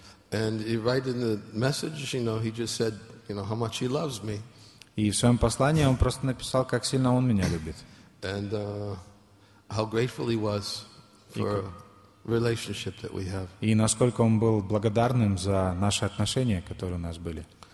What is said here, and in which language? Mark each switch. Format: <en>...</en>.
<en>And he wrote in the message, you know, he just said, you know, how much he loves me.</en> <ru>И в своем послании он просто написал, как сильно он меня любит.</ru> <en>And how grateful he was for a relationship that we have.</en> <ru>И насколько он был благодарным за наши отношения, которые у нас были.</ru>